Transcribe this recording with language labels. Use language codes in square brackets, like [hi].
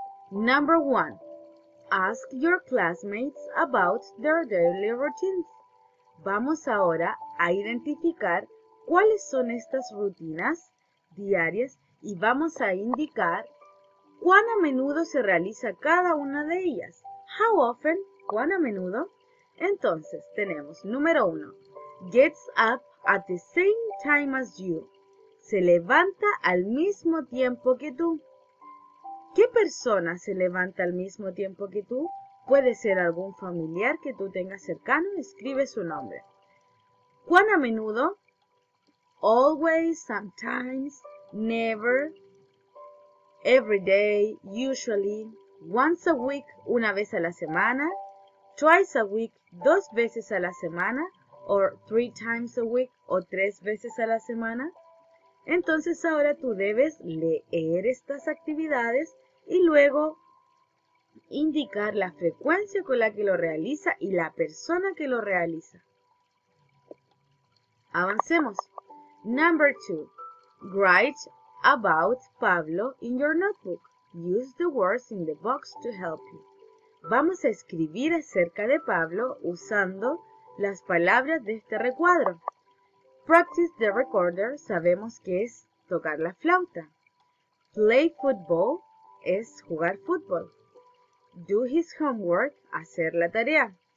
[en] Number one. Ask your classmates about their daily routines. [es] Vamos ahora a identificar cuáles son estas rutinas diarias y vamos a indicar cuán a menudo se realiza cada una de ellas. [en] How often? [es] ¿Cuán a menudo? Entonces, tenemos número uno. [en] Gets up at the same time as you. [es] Se levanta al mismo tiempo que tú. ¿Qué persona se levanta al mismo tiempo que tú? Puede ser algún familiar que tú tengas cercano. Escribe su nombre. ¿Cuán a menudo? [en] Always, sometimes, never, every day, usually, once a week, [es] una vez a la semana, [en] twice a week, [es] dos veces a la semana, [en] or three times a week, [es] o tres veces a la semana. Entonces ahora tú debes leer estas actividades y luego indicar la frecuencia con la que lo realiza y la persona que lo realiza. Avancemos. [en] Number two. Write about Pablo in your notebook. Use the words in the box to help you. [es] Vamos a escribir acerca de Pablo usando las palabras de este recuadro. [en] Practice the recorder. [es] Sabemos que es tocar la flauta. [en] Play football. [es] Es jugar fútbol. [en] Do his homework, [es] hacer la tarea.